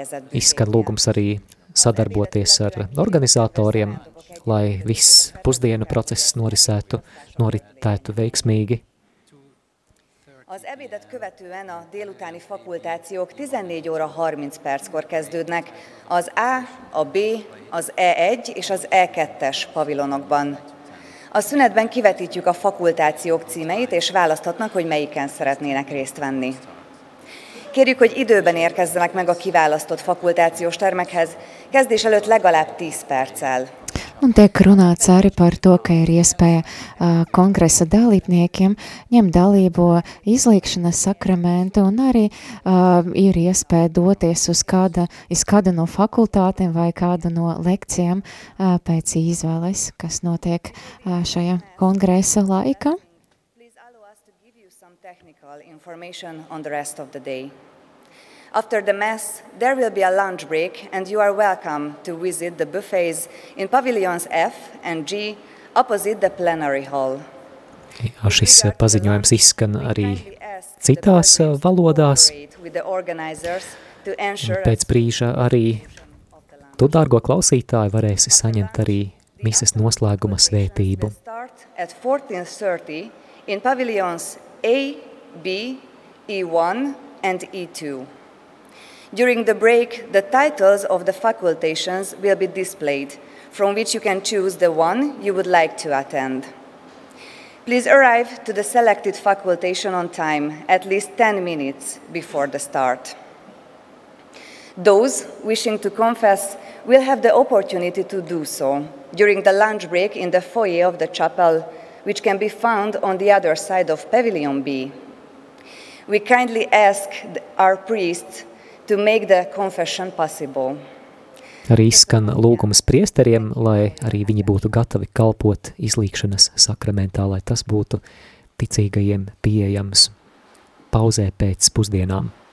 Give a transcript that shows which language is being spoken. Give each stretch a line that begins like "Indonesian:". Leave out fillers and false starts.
Latvian: Izskan lūgums arī sadarboties ar organizatoriem, lai viss pusdienu process noritētu veiksmīgi.
Hungarian: Az ebédet követően a délutáni fakultációk 14 óra 30 perckor kezdődnek az A, a B, az E1 és az E2-es pavilonokban. A szünetben kivetítjük a fakultációk címeit és választhatnak, hogy melyiken szeretnének részt venni. Kérjük, hogy időben érkezzenek meg a kiválasztott fakultációs termekhez, kezdés előtt legalább 10 perccel.
Latvian: Un tiek runāts arī par to, ka ir iespēja kongresa dalībniekiem ņemt dalību izlīgšanas sakramentu un arī ir iespēja doties uz kādu no fakultātiem vai kādu no lekcijām pēc izvēles, kas notiek šajā kongresa laikā.
English: Please allow us to give you some technical information on the rest of the day. After the mass, there will be a lunch break and you are welcome to visit the buffets in pavilions F and G opposite the plenary hall.
Latvian: Jā, šis paziņojums izskan arī citās valodās. Pēc brīža arī tu, dārgo klausītāji, varēsi saņemt arī mises noslēguma svētību.
English: At 14:30 in pavilions A, B, E1 and E2. During the break, the titles of the facultations will be displayed, from which you can choose the one you would like to attend. Please arrive to the selected facultation on time, at least 10 minutes before the start. Those wishing to confess will have the opportunity to do so during the lunch break in the foyer of the chapel, which can be found on the other side of Pavilion B. We kindly ask our priests to make the confession possible.
Latvian: Arī skan lūgums priesteriem, lai arī viņi būtu gatavi kalpot izlīgšanas sakramentā, lai tas būtu ticīgajiem pieejams pauzē pēc pusdienām.